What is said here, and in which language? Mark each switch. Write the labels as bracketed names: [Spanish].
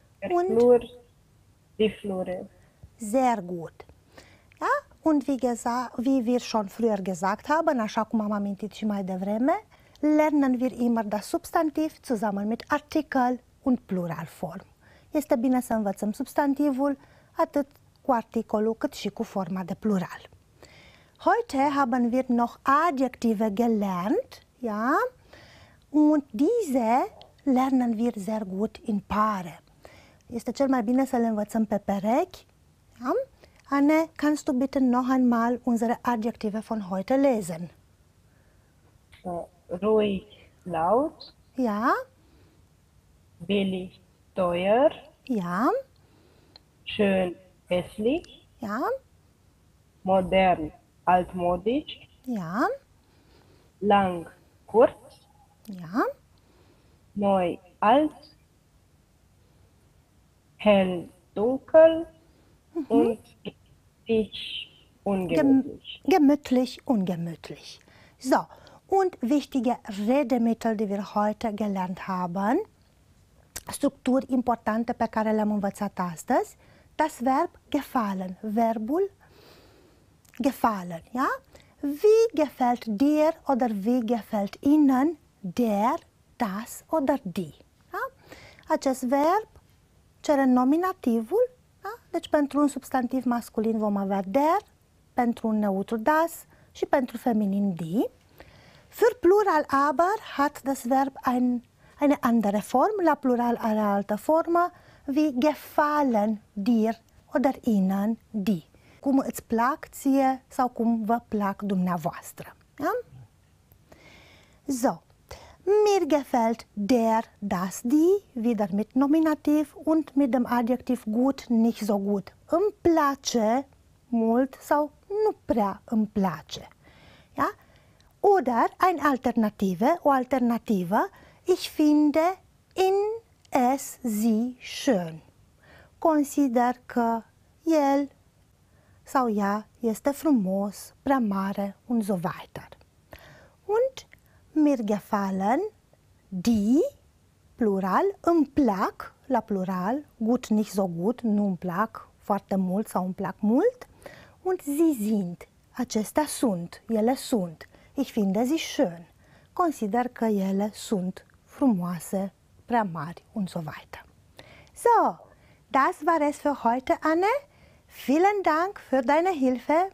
[German] Und Flur, die Flure. Sehr gut. Ja, und wie wir schon früher gesagt haben, [Romanian] așa cum am amintit și mai devreme, [German] lernen wir immer das Substantiv zusammen mit Artikel und Pluralform. [Romanian] Este bine să învățăm substantivul atât cu articolul cât și cu forma de plural. [German] Heute haben wir noch Adjektive gelernt, ja? Und diese lernen wir sehr gut in Paare. [Romanian] Este cel mai bine să le învățăm pe perechi, ja? [German] Anne, kannst du bitte noch einmal unsere Adjektive von heute lesen? Ruhig, laut. Ja. Billig, teuer. Ja. Schön, hässlich. Ja. Modern, altmodisch. Ja. Lang, kurz. Ja. Neu alt, hell dunkel und dich ungemütlich. Gemütlich, ungemütlich. So, und wichtige Redemittel, die wir heute gelernt haben. [Romanian] Struktur importante per care le-am învățat astăzi. [German] Das Verb gefallen. [Romanian] Verbul [German] gefallen. Ja? Wie gefällt dir oder wie gefällt Ihnen der, das oder die? [Romanian] Ja? Acest verb cere nominativul. Da? Deci pentru un substantiv masculin vom avea der, pentru un neutru das și pentru feminin die. [German] Für Plural aber hat das Verb eine andere Form. [Romanian] La Plural are altă formă. [German] Wie gefallen dir oder ihnen die? [Romanian] Cum îți plac ție sau cum vă plac dumneavoastră? Da? [German] So. Mir gefällt der, das, die, wieder mit Nominativ und mit dem Adjektiv gut, nicht so gut. [Romanian] Îmi place mult sau nu prea îmi place. [German] Ja? Oder eine Alternative, [Romanian] o Alternativă, [German] ich finde in es sie schön. [Romanian] Consider că el sau ea este frumos, prea mare [German] und so weiter. Und mir gefallen die, [Romanian] plural, îmi plac, la plural, [German] gut, nicht so gut, [Romanian] nu îmi plac foarte mult sau îmi plac mult. [German] Und sie sind, [Romanian] acestea sunt, ele sunt. [German] Ich finde sie schön. [Romanian] Consider că ele sunt frumoase, prea mari [German] und so weiter. So, das war es für heute, Anne. Vielen Dank für deine Hilfe.